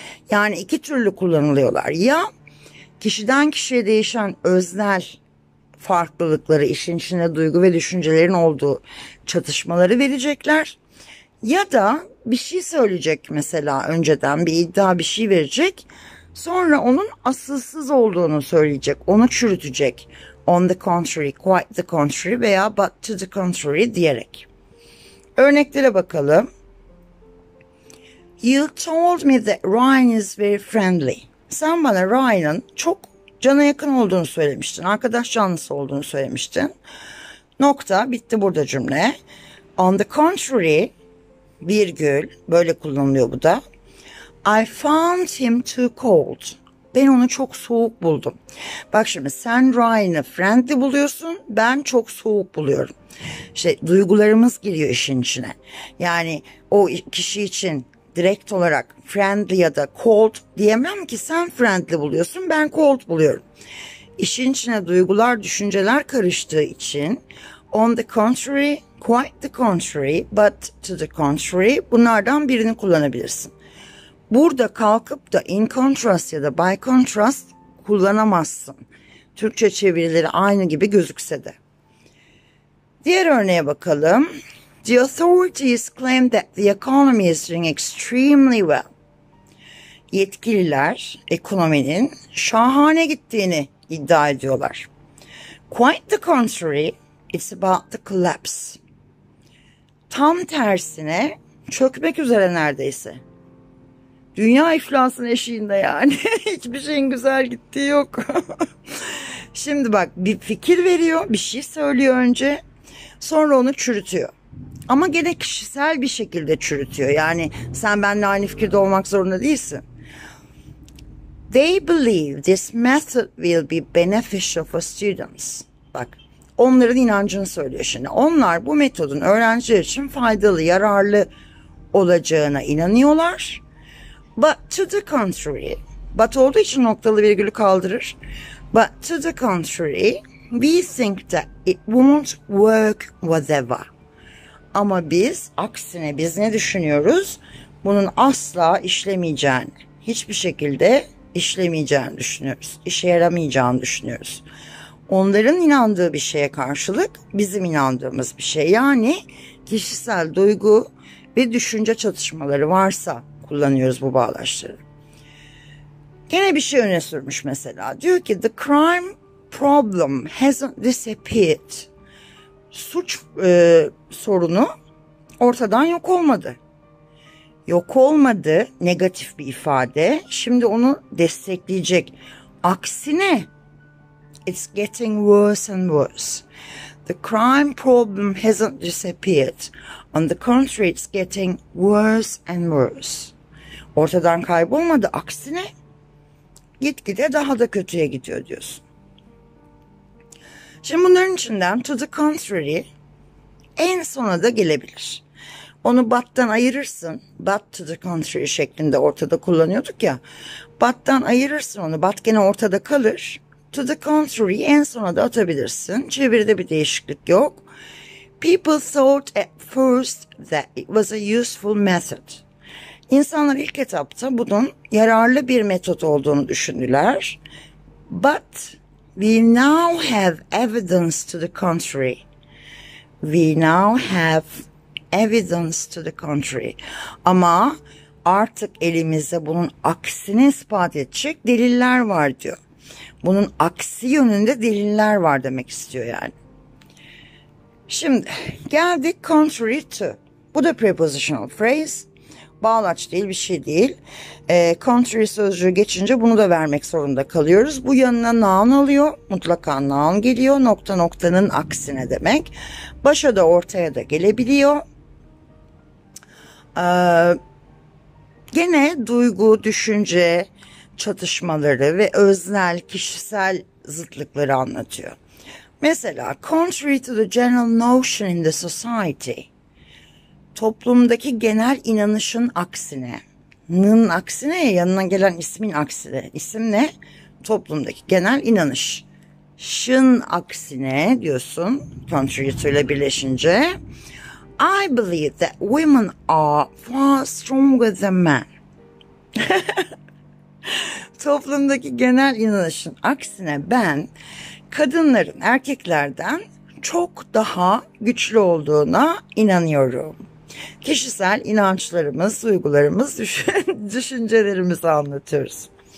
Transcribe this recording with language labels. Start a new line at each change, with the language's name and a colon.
Turkish: Yani iki türlü kullanılıyorlar. Ya kişiden kişiye değişen öznel farklılıkları, işin içinde duygu ve düşüncelerin olduğu çatışmaları verecekler. Ya da bir şey söyleyecek mesela, önceden bir iddia, bir şey verecek. Sonra onun asılsız olduğunu söyleyecek, onu çürütecek.
English: On the contrary, quite the contrary veya but to the contrary diyerek.
Turkish: Örneklere bakalım.
English: You told me that Ryan is very friendly.
Turkish: Sen bana Ryan'ın çok cana yakın olduğunu söylemiştin. Arkadaş canlısı olduğunu söylemiştin. Nokta. Bitti burada cümle.
English: On the contrary,
Turkish: virgül, böyle kullanılıyor bu da.
English: I found him too cold.
Turkish: Ben onu çok soğuk buldum. Bak şimdi, sen Ryan'ı friendly buluyorsun, ben çok soğuk buluyorum. İşte duygularımız giriyor işin içine. Yani o kişi için direkt olarak friendly ya da cold diyemem ki, sen friendly buluyorsun, ben cold buluyorum. İşin içine duygular, düşünceler karıştığı için
English: on the contrary, quite the contrary,
Turkish: but to the contrary bunlardan birini kullanabilirsin. Burada kalkıp da in contrast ya da by contrast kullanamazsın, Türkçe çevirileri aynı gibi gözükse de. Diğer örneğe bakalım.
English: The authorities claim that the economy is doing extremely well.
Turkish: Yetkililer ekonominin şahane gittiğini iddia ediyorlar.
English: Quite the contrary, it's about the collapse.
Turkish: Tam tersine, çökmek üzere neredeyse. Dünya iflasın eşiğinde yani. Hiçbir şeyin güzel gittiği yok. Şimdi bak, bir fikir veriyor, bir şey söylüyor önce, sonra onu çürütüyor. Ama gene kişisel bir şekilde çürütüyor. Yani sen benimle aynı fikirde olmak zorunda değilsin.
English: They believe this method will be beneficial for students.
Turkish: Bak, onların inancını söylüyor şimdi. Onlar bu metodun öğrenciler için faydalı, yararlı olacağına inanıyorlar.
English: But to the contrary,
Turkish: but olduğu için noktalı virgülü kaldırır.
English: But to the contrary, we think that it won't work whatever.
Turkish: Ama biz, aksine biz ne düşünüyoruz? Bunun asla işlemeyeceğini, hiçbir şekilde işlemeyeceğini düşünüyoruz, işe yaramayacağını düşünüyoruz. Onların inandığı bir şeye karşılık bizim inandığımız bir şey. Yani kişisel duygu ve düşünce çatışmaları varsa kullanıyoruz bu bağlaçları. Gene bir şey öne sürmüş mesela. Diyor ki,
English: the crime problem hasn't disappeared.
Turkish: Suç sorunu ortadan yok olmadı. Yok olmadı, negatif bir ifade. Şimdi onu destekleyecek.
English: Aksine, it's getting worse and worse. The crime problem hasn't disappeared. On the contrary, it's getting worse and worse.
Turkish: Ortadan kaybolmadı, aksine gitgide daha da kötüye gidiyor diyorsun. Şimdi bunların içinden to the contrary en sona da gelebilir. Onu but'tan ayırırsın. But to the contrary şeklinde ortada kullanıyorduk ya. But'tan ayırırsın onu. But gene ortada kalır. To the contrary en sona da atabilirsin. Çeviride bir değişiklik yok.
English: People thought at first that it was a useful method.
Turkish: İnsanlar ilk etapta bunun yararlı bir metot olduğunu düşündüler.
English: But we now have evidence to the contrary. We now have evidence to the contrary. Ama
Turkish: artık elimizde bunun aksini ispat edecek deliller var diyor. Bunun aksi yönünde deliller var demek istiyor yani. Şimdi geldik contrary to. Bu da prepositional phrase. Bağlaç değil, bir şey değil. Contrary sözcüğü geçince bunu da vermek zorunda kalıyoruz. Bu yanına noun alıyor. Mutlaka noun geliyor. Nokta noktanın aksine demek. Başa da ortaya da gelebiliyor. Gene duygu, düşünce çatışmaları ve öznel, kişisel zıtlıkları anlatıyor.
English: Mesela contrary to the general notion in the society.
Turkish: Toplumdaki genel inanışın aksine, nın aksine, yanına gelen ismin aksine, isim ne? Toplumdaki genel inanış. Şın aksine diyorsun, contrary to ile birleşince.
English: I believe that women are far stronger than men.
Turkish: Toplumdaki genel inanışın aksine ben kadınların erkeklerden çok daha güçlü olduğuna inanıyorum. Kişisel inançlarımız, duygularımız, düşüncelerimizi anlatıyoruz.